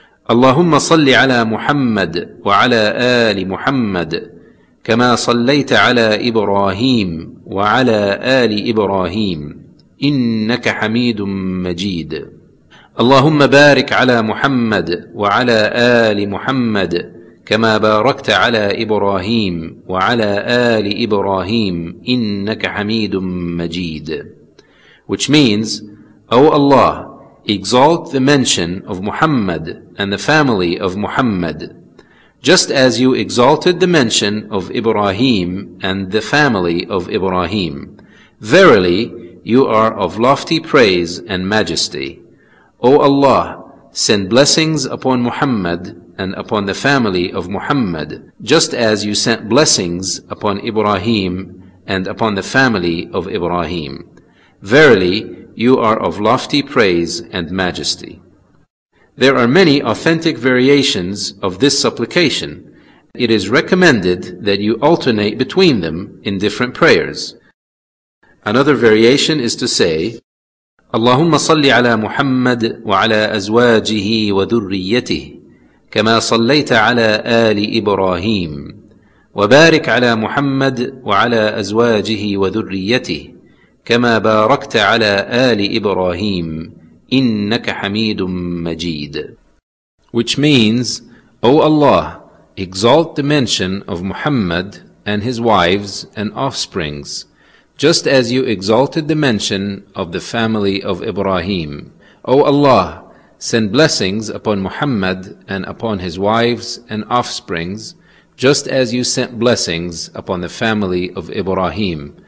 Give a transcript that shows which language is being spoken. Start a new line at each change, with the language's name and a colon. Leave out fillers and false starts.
Arabic: اللهم صل على محمد وعلى آل محمد كما صليت على إبراهيم وعلى آل إبراهيم إنك حميد مجيد اللهم بارك على محمد وعلى آل محمد كما باركت على إبراهيم وعلى آل إبراهيم إنك حميد مجيد.
English: Which means, O Allah, exalt the mention of Muhammad and the family of Muhammad, just as you exalted the mention of Ibrahim and the family of Ibrahim. Verily, you are of lofty praise and majesty. O Allah, send blessings upon Muhammad and upon the family of Muhammad, just as you sent blessings upon Ibrahim and upon the family of Ibrahim. Verily, you are of lofty praise and majesty. There are many authentic variations of this supplication. It is recommended that you alternate between them in different prayers. Another variation is to say,
Arabic: اللهم صل على محمد وعلى أزواجه وذريته كما صليت على آل إبراهيم وبارك على محمد وعلى أزواجه وذريته كما باركت على آل إبراهيم إنك حميد مجيد.
English: Which means, O Allah, exalt the mention of Muhammad and his wives and offsprings, just as you exalted the mention of the family of Ibrahim. O Allah, send blessings upon Muhammad and upon his wives and offsprings, just as you sent blessings upon the family of Ibrahim.